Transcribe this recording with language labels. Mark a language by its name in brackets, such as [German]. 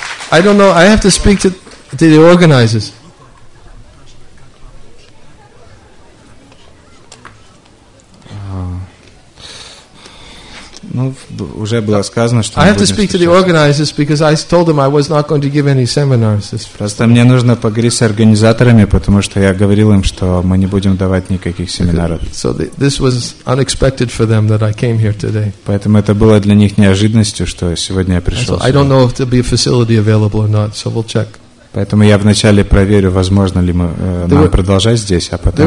[English] I don't know. I have to speak to the organizers. [Russian] Уже было сказано, что [English] I have to speak to the organizers because I told them I was not going to give any seminars. [Russian] Просто мне нужно поговорить с организаторами, потому что я говорил им, что мы не будем давать никаких семинаров. [English] So this was unexpected for them that I came here today. [Russian] Поэтому это было для них неожиданностью, что сегодня я пришел. [English] I don't know if there'll be a facility available or not, so we'll check. [Russian] Поэтому я вначале проверю, возможно ли мы нам продолжать здесь, а потом.